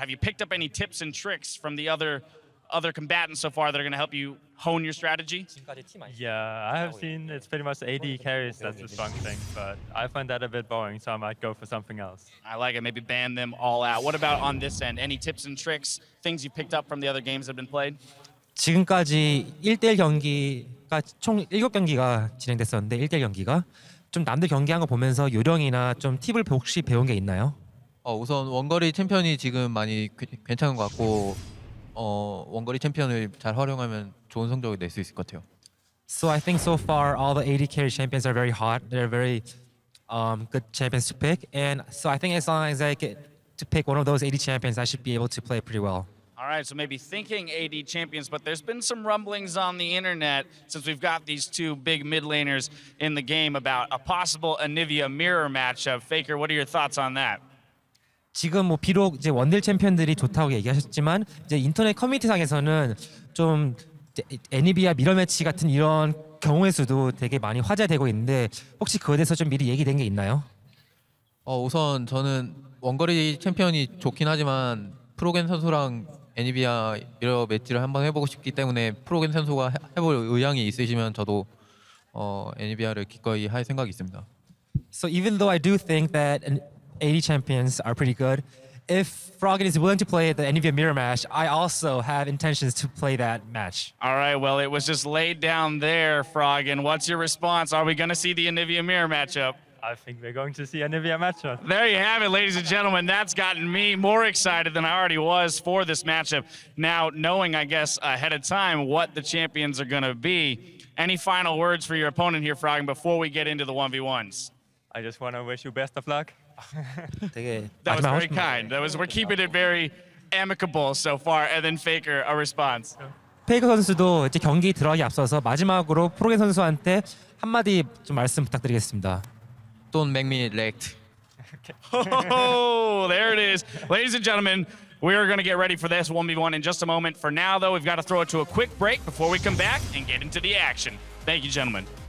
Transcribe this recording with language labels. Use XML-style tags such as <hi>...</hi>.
<en>Have you picked up any tips and tricks from the other combatants so far that are going to help you hone your strategy? Yeah, I have seen it's pretty much AD carries that's the strong thing, but I find that a bit boring, so I might go for something else. I like it. Maybe ban them all out. What about on this end? Any tips and tricks, things you picked up from the other games that have been played?</en> <ko>지금까지 1대1 경기가 총 7경기가 진행됐었는데 1대1 경기가 좀 남들 경기한 거 보면서 요령이나 좀 팁을 혹시 배운 게 있나요? 우선 원거리 챔피언이 지금 많이 괜찮은 것 같고 원거리 챔피언을 잘 활용하면 좋은 성적을 낼 수 있을 것 같아요.</ko> <en>So I think so far all the AD carry champions are very hot. They're very good champions to pick. And so I think as long as I get to pick one of those AD champions, I should be able to play pretty well. All right, so maybe thinking AD champions, but there's been some rumblings on the internet since we've got these two big mid laners in the game about a possible Anivia mirror matchup. Faker, what are your thoughts on that?</en> <ko>지금 뭐 비록 이제 원딜 챔피언들이 좋다고 얘기하셨지만 이제 인터넷 커뮤니티상에서는 좀 애니비아 미러 매치 같은 이런 경우의 수도 되게 많이 화제되고 있는데 혹시 그거에 대해서 좀 미리 얘기된 게 있나요? 우선 저는 원거리 챔피언이 좋긴 하지만 프로겐 선수랑 애니비아 미러 매치를 한번 해보고 싶기 때문에 프로겐 선수가 해볼 의향이 있으시면 저도 애니비아를 기꺼이 할 생각이 있습니다.</ko> <en>So even though I do think that AD champions are pretty good, if Froggen is willing to play the Anivia mirror match, I also have intentions to play that match. All right, well, it was just laid down there, Froggen. What's your response? Are we going to see the Anivia mirror matchup? I think we're going to see Anivia matchup. There you have it, ladies and gentlemen. That's gotten me more excited than I already was for this matchup. Now, knowing, I guess, ahead of time what the champions are going to be, any final words for your opponent here, Froggen, before we get into the 1v1s? I just want to wish you best of luck. That was very kind. That was, we're keeping it very amicable so far. And then Faker, a response.</en> <ko>Faker 선수도 이제 경기 들어가기 앞서서 마지막으로 프로겐 선수한테 한마디 좀 말씀 부탁드리겠습니다.</ko> <en>Don't make me late. Oh, there it is. Ladies and gentlemen, we are going to get ready for this 1v1 in just a moment. For now, though, we've got to throw it to a quick break before we come back and get into the action. Thank you, gentlemen.</en>